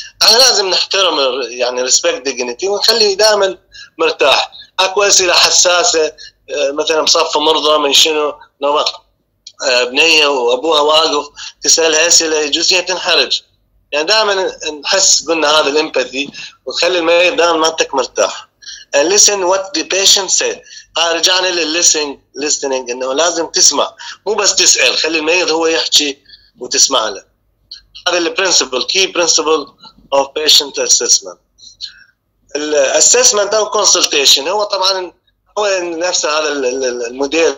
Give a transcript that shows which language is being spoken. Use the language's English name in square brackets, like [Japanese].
[Arabic] احنا لازم نحترم يعني ريسبكت ديجنيتي ونخليه دائما مرتاح. اكو اسئله حساسه مثلا مصف مرضى من شنو نمط بنيه وابوها واقف تسالها اسئله يجوز هي تنحرج. يعني دائما نحس قلنا هذا الامباثي وتخلي المريض دائما مالتك مرتاح. [English] listen what the patient say. [Arabic] رجعنا للlistening انه لازم تسمع مو بس تسال، خلي المريض هو يحكي وتسمع له. هذا البرنسبل، كي برنسبل اوف patient assessment. الاسسمنت او كونسلتيشن هو طبعا هو نفس هذا الموديل.